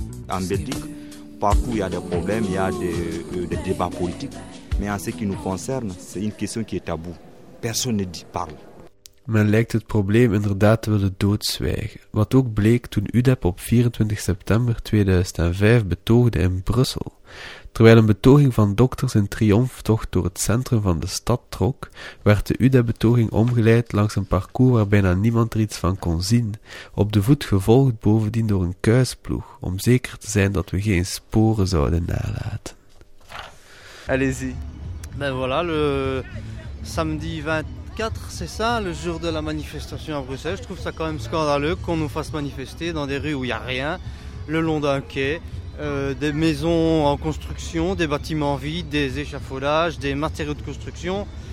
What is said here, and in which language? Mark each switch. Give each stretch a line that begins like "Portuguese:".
French: En Belgique, partout il y a des problèmes, il y a des débats politiques. Mais en ce qui nous concerne, c'est une question qui est taboue. Personne ne dit, parle.
Dutch: Men lijkt het probleem inderdaad te willen doodzwijgen. Wat ook bleek toen UDEP op 24 september 2005 betoogde in Brussel. Terwijl een betoging van dokters in triomftocht door het centrum van de stad trok, werd de UDEP-betoging omgeleid langs een parcours waar bijna niemand er iets van kon zien, op de voet gevolgd bovendien door een kuisploeg, om zeker te zijn dat we geen sporen zouden nalaten.
French: Allez-y. Ben voilà, le samedi 24, c'est ça, le jour de la manifestation à Bruxelles. Je trouve ça quand même scandaleux qu'on nous fasse manifester dans des rues où il n'y a rien, le long d'un quai. Des maisons en construction, des bâtiments vides, des échafaudages, des matériaux de construction.